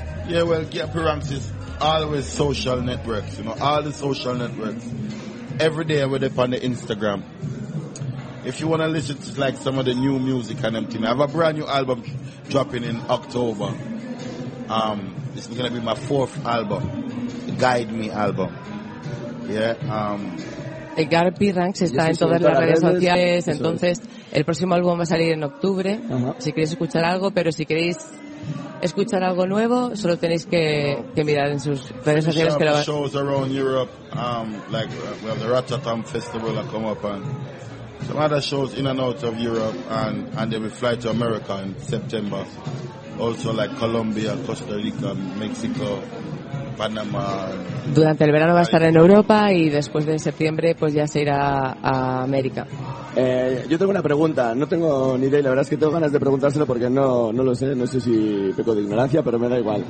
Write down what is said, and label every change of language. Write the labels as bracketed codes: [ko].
[en] Yeah, well, Gapi Ranks is always social networks, you know, all the social networks. Every day we're up on the Instagram. If you want to listen to like some of the new music and everything, I have a brand new album dropping in October. This is going to be my fourth album, the Guide Me album. Yeah. [es] Gapi Ranks está en todas las redes sociales, entonces el próximo álbum va a salir en octubre. Uh-huh. Si queréis escuchar algo, pero si queréis escuchar algo nuevo, solo tenéis que mirar en sus redes sociales que lo va. [en] Shows around Europe, like we have the Rotterdam Festival that come up and some other shows in and out of Europe, and they will fly to America in September. Also like Colombia, Costa Rica, Mexico, Panama. [es] Durante el verano va a estar en Europa y después de septiembre pues ya se irá a América. Yo tengo una pregunta, no tengo ni idea y la verdad es que tengo ganas de preguntárselo porque no lo sé, no sé si peco de ignorancia, pero me da igual.